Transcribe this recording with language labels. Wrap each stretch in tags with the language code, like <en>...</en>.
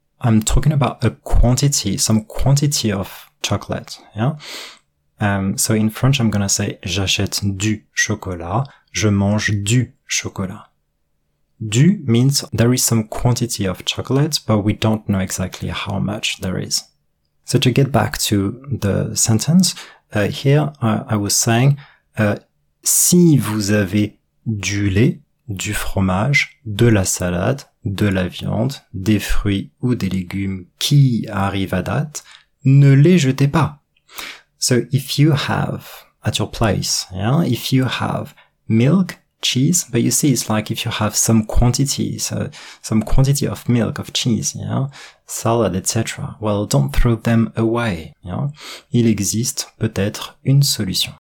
<en>I'm talking about a quantity, some quantity of chocolate. Yeah. So in French, I'm going to say</en> <fr>j'achète du chocolat. Je mange du chocolat.</fr> <en>Du means there is some quantity of chocolate, but we don't know exactly how much there is. So to get back to the sentence, here I was saying,</en> <fr>si vous avez du lait, du fromage, de la salade, de la viande, des fruits ou des légumes qui arrivent à date, ne les jetez pas.</fr> <en>So if you have at your place, yeah, if you have milk, cheese, but you see, it's like if you have some quantity, so some quantity of milk, of cheese, yeah, salad, etc. Well, don't throw them away. Yeah,</en> <fr>il existe peut-être une solution.</fr>